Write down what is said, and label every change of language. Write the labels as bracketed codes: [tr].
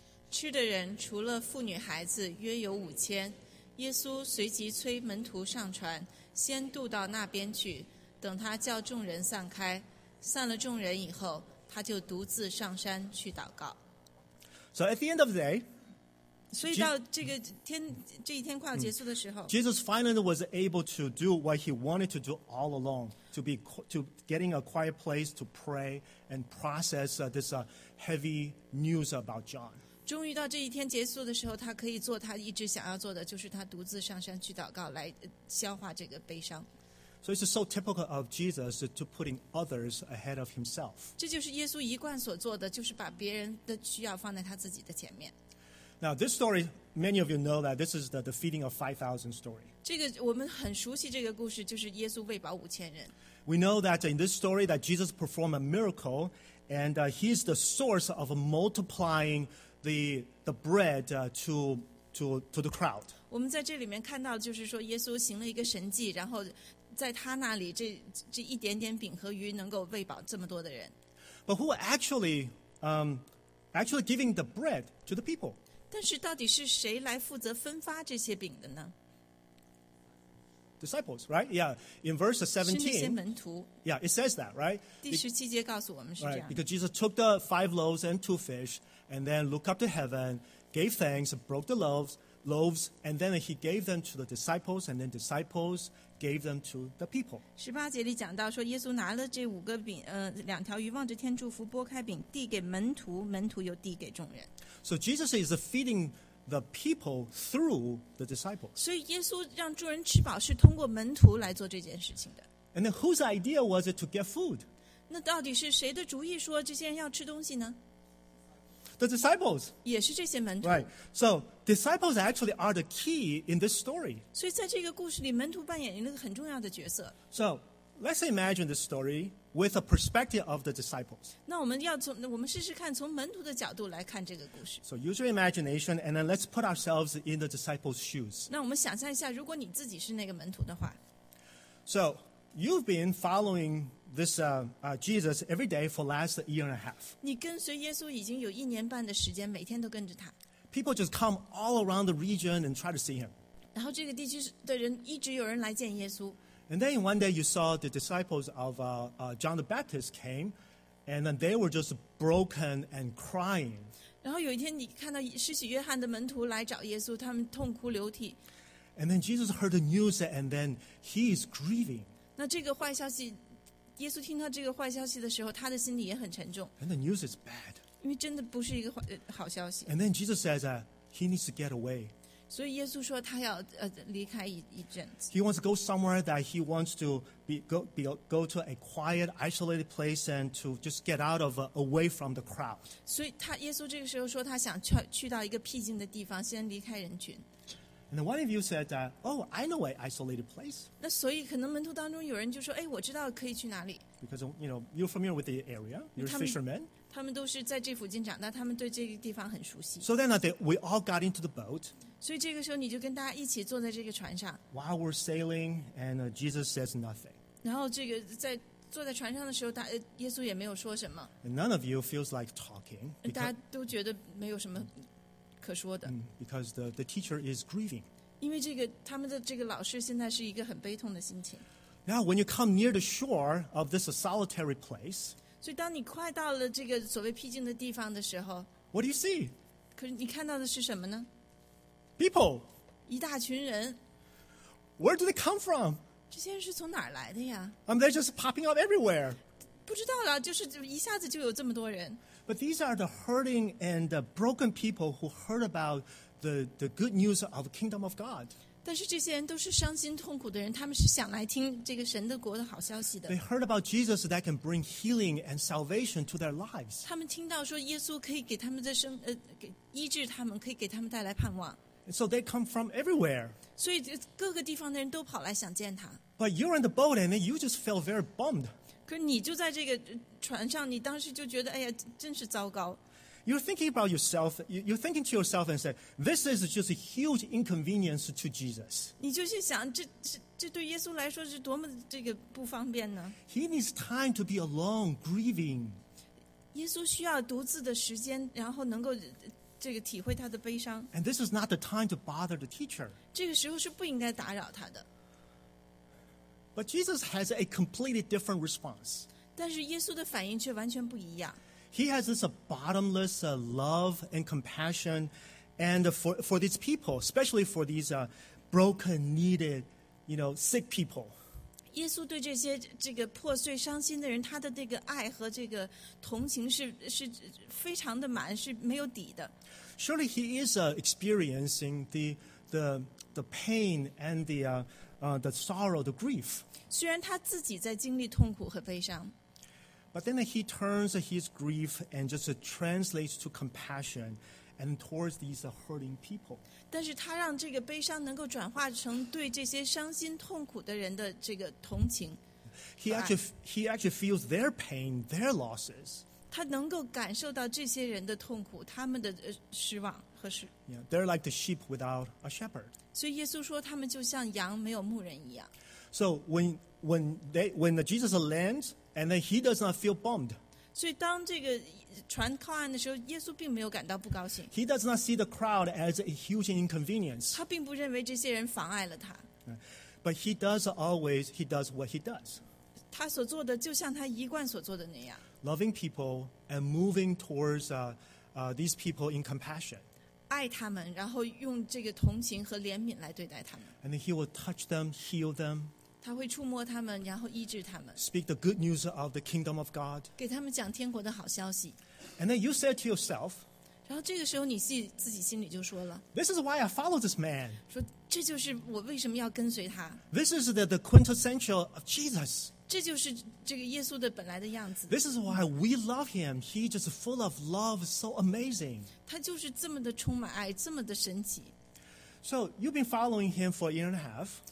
[zh] 吃的人除了妇女孩子约有5000，耶稣随即催门徒上船，先渡到那边去。等他叫众人散开，散了众人以后，他就独自上山去祷告。 [en] So at the end of the day, [zh] 所以到这个天这一天快要结束的时候 [en] ，Jesus finally was able to do what he wanted to do all along, to getting a quiet place to pray and process this heavy news about John. [zh] 终于到这一天结束的时候，他可以做他一直想要做的，就是他独自上山去祷告，来消化这个悲伤。 [en] So it's so typical of Jesus to putting others ahead of himself. [zh] 这就是耶稣一贯所做的，就是把别人的需要放在他自己的前面。 [en] Now this story, many of you know that this is the feeding of 5,000 story. [zh] 这个我们很熟悉这个故事，就是耶稣喂饱五千人。 [en] We know that in this story that Jesus performed a miracle, and he's the source of multiplying the bread to the crowd. [zh] 我们在这里面看到，就是说耶稣行了一个神迹，然后在他那里这一点点饼和鱼能够喂饱这么多的人。 [en] But who actually, giving the bread to the people? [zh] 但是到底是谁来负责分发这些饼的呢？ [en] Disciples, right? Yeah, in verse 17, [zh] 是那些门徒。 [en] Yeah, it says that, right? [zh] 第十七节告诉我们是这样。 [en] Right, because Jesus took the 5 loaves and 2 fish, and then looked up to heaven, gave thanks, broke the loaves, and then he gave them to the disciples, and then disciples gave them to the people. [zh] 十八节里讲到说，耶稣拿了这五个饼，两条鱼，望着天祝福，拨开饼，递给门徒，门徒又递给众人。 [en] So Jesus is feeding the people through the disciples. [zh] 所以耶稣让众人吃饱是通过门徒来做这件事情的。 [en] And then whose idea was it to get food? [zh] 那到底是谁的主意说这些人要吃东西呢？ [en] The disciples. [zh] 也是这些门徒。 [en] Right. So disciples actually are the key in this story. [zh] 所以在这个故事里，门徒扮演了一个很重要的角色。 [en] So let's imagine this story with a perspective of the disciples. [zh] 那我们要从我们试试看从门徒的角度来看这个故事。 [en] So use your imagination and then let's put ourselves in the disciples' shoes. [zh] 那我们想象一下，如果你自己是那个门徒的话。 [en] So you've been following this Jesus every day for last year and a half. [zh] 你跟随耶稣已经有一年半的时间，每天都跟着他。 [en] People just come all around the region and try to see him. [zh] 然后这个地区的人一直有人来见耶稣。 [en] And then one day you saw the disciples of John the Baptist came, and then they were just broken and crying. [zh] 然后有一天你看到施洗约翰的门徒来找耶稣，他们痛哭流涕。 [en] And then Jesus heard the news, and then he is grieving. [zh] 那这个坏消息。耶稣听到这个坏消息的时候，他的心里也很沉重。 [en] And the news is bad. [zh] 因为真的不是一个好消息。 [en] And then Jesus says that he needs to get away. [zh] 所以耶稣说他要离开一阵子。 [en] He wants to go somewhere that he wants to go to a quiet, isolated place and to just get out of away from the crowd. [zh] 所以他耶稣这个时候说他想去到一个僻静的地方，先离开人群。 [en] And one of you said that, oh, I know an isolated place. [zh] 那所以可能门徒当中有人就说，哎，我知道可以去哪里。 [en] Because you know you're familiar with the area. You're fishermen. [zh] 他们都是在这附近长大，他们对这个地方很熟悉。 [en] So then we all got into the boat. [zh] 所以这个时候你就跟大家一起坐在这个船上。 [en] While we're sailing, and Jesus says nothing. [zh] 然后这个在坐在船上的时候，耶稣也没有说什么。 [en] And none of you feels like talking. [zh] 大家都觉得没有什么。可说的 [en] because the teacher is grieving. [zh] 因为这个他们的这个老师现在是一个很悲痛的心情。 [en] Now when you come near the shore of this solitary place, [zh] 所以当你快到了这个所谓僻静的地方的时候 [en] ，What do you see? [zh] 可是你看到的是什么呢 [en] ？People. [zh] 一大群人。 [en] Where do they come from? [zh] 这些人是从哪儿来的呀 [en] ？They're just popping up everywhere. [zh] 不知道了，就是一下子就有这么多人。 [en] But these are the hurting and the broken people who heard about the good news of the kingdom of God. [zh] 但是这些人都是伤心痛苦的人，他们是想来听这个神的国的好消息的。 [en] They heard about Jesus that can bring healing and salvation to their lives. [zh] 他们听到说耶稣可以给他们的生给医治他们，可以给他们带来盼望。 [en] So they come from everywhere. [zh] 所以各个地方的人都跑来想见他。 [en] But you're in the boat and you just feel very bummed. [zh] 可你就在这个船上，你当时就觉得哎呀，真是糟糕。 [en] You're thinking about yourself, you're thinking to yourself and say, this is just a huge inconvenience to Jesus. [zh] 你就去想 这对耶稣来说是多么这个不方便呢？ [en] He needs time to be alone, grieving. [zh] 耶稣需要独自的时间，然后能够这个体会他的悲伤。 [en] And this is not the time to bother the teacher. [zh] 这个时候是不应该打扰他的。 [en] But Jesus has a completely different response. [zh] 但是耶稣的反应却完全不一样。 [en] He has this bottomless love and compassion and for these people, especially for these broken, needed, you know, sick people. [zh] 耶稣对这些这个破碎伤心的人，他的这个爱和这个同情是非常的满，是没有底的。 [en] Surely he is experiencing the pain and the sorrow, the grief. [zh] 虽然他自己在经历痛苦和悲伤。 [en] But then he turns his grief and just translates to compassion and towards these hurting people. [zh] 但是他让这个悲伤能够转化成对这些伤心痛苦的人的这个同情。 [en] He actually feels their pain, their losses. [zh] 他能够感受到这些人的痛苦，他们的失望和失。 [en] Yeah, they're like the sheep without a shepherd. [zh] 所以耶稣说他们就像羊没有牧人一样。 [en] So when Jesus lands,And then he does not feel bummed. [zh] 所以当这个船靠岸的时候，耶稣并没有感到不高兴。 [en] He does not see the crowd as a huge inconvenience. [zh] 他并不认为这些人妨碍了他。 [en] But he does always, he does what he does. [zh] 他所做的就像他一贯所做的那样。 [en] Loving people and moving towards these people in compassion. [zh] 爱他们，然后用这个同情和怜悯来对待他们。 [en] And then he will touch them, heal them. [zh] 他会触摸他们，然后医治他们。 [en] Speak the good news of the kingdom of God. [zh] 给他们讲天国的好消息。 [en] And then you said to yourself. [zh] 然后这个时候你自己心里就说了。 [en] This is why I follow this man. [zh] 说这就是我为什么要跟随他。 [en] This is the quintessential of Jesus. [zh] 这就是这个耶稣的本来的样子。 [en] This is why we love him. He just full of love, so amazing. [zh] 他就是这么的充满爱，这么的神奇。 [en] So you've been following him for a year and a half.